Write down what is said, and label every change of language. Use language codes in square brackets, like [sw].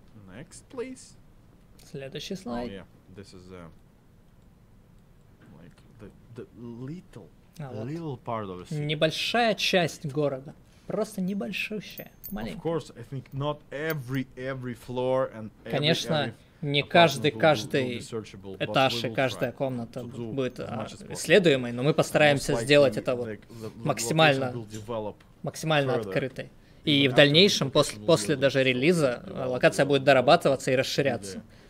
[en] Next, please. [ru] Следующий слайд. [en] Oh, yeah. This is a... Like, the little... little part of the city. [ru] Небольшая часть города. Просто небольшущая. Маленькая. [en] Of course, I think not every floor and every... [ru] Конечно. Не каждый этаж и каждая комната будет исследуемой, но мы постараемся сделать это вот максимально открытой. И в дальнейшем, после даже релиза, локация будет дорабатываться и расширяться.